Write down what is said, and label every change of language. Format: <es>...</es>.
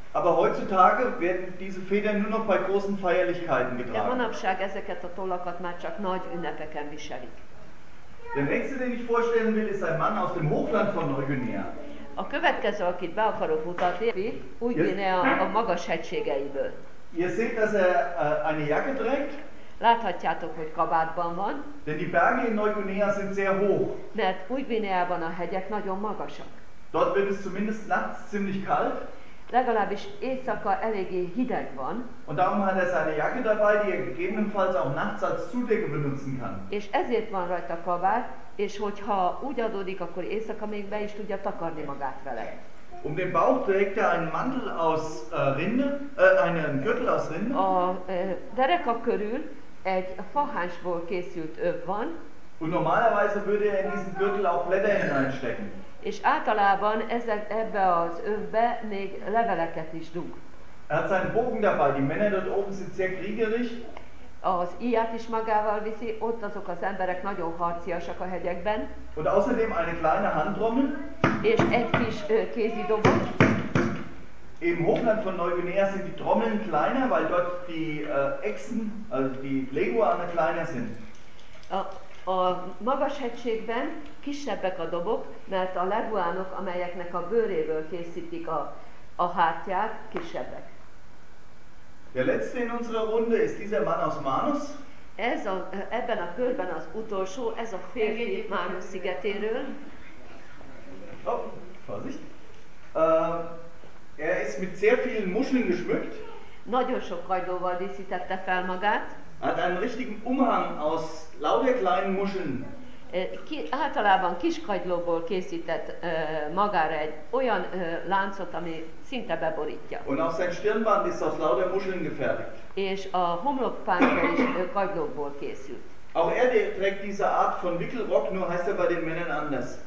<de>Aber heutzutage werden diese Federn nur noch bei großen Feierlichkeiten getragen.</de> <hu>De manapság ezeket a tollakat már csak nagy ünnepeken viselik.</hu> <de>Der nächste, den ich vorstellen will, ist ein Mann aus dem Hochland von Neuguinea.</de> <hu>A következő, akit be akarok mutatni, Új-Guinea a magas hegységeiből.</hu> <de>Ihr seht, dass er eine Jacke trägt.</de> <hu>Láthatjátok, hogy kabátban van.</hu> <de>Denn die Berge in Neuguinea sind sehr hoch.</de> <hu>Mert Új-Guineában a hegyek nagyon magasak.</hu> <de>Dort wird es zumindest nachts ziemlich kalt.</de> <hu>Legalábbis éjszaka eléggé hideg van.</hu> <de>Und darum hat er seine Jacke dabei, die er gegebenenfalls auch nachts als Zudecke benutzen kann.</de> <hu>És ezért van rajta kabát, és hogyha úgy adódik, akkor éjszaka még be is tudja takarni magát vele.</hu> <de>Um den Bauch trägt er einen Mantel aus Rinde, einen Gürtel aus Rinde.</de> <hu>A dereka körül egy fahánsból készült öv van.</hu> <de>Und normalerweise würde er in diesen Gürtel auch Blätter hineinstecken.</de> <hu>És általában ebbe az övbe még leveleket is dug.</hu> <de>Er hat seinen Bogen dabei, die Männer dort oben sind sehr kriegerisch.</de> <hu>Az íját is magával viszi, ott azok az emberek nagyon harciasak a hegyekben.</hu> <de>Und außerdem eine kleine Handtrommel.</de> <hu>És egy kis kézidobot.</hu> <de>Im Hochland von Neuguinea sind die Trommeln kleiner, weil dort die Echsen, also die Leguane kleiner sind.</de> <hu>A magas hegységben kisebbek a dobok, mert a leguánok, amelyeknek a bőréből készítik a hártyát, kisebbek.</hu> <de>Der letzte in unserer Runde ist dieser Mann aus Manus.</de> <hu>Ebben a körben az utolsó, ez a férfi Manus szigetéről.</hu> <de>Oh, Vorsicht. Er ist mit sehr vielen Muscheln geschmückt.</de> <hu>Nagyon sok kajdóval díszítette fel magát.</hu> <de>Hat einen richtigen Umhang aus lauter kleinen Muscheln.</de> <hu>Általában kis kagylóból készített magára egy olyan láncot, ami szinte beborítja.</hu> <de>Und auch sein Stirnband ist aus lauter Muscheln gefertigt.</de> <hu>És a homlokpánta is kagylóból készült.</hu> <de>Auch er trägt diese Art von Wickelrock, nur heißt er bei den Männern anders.</de>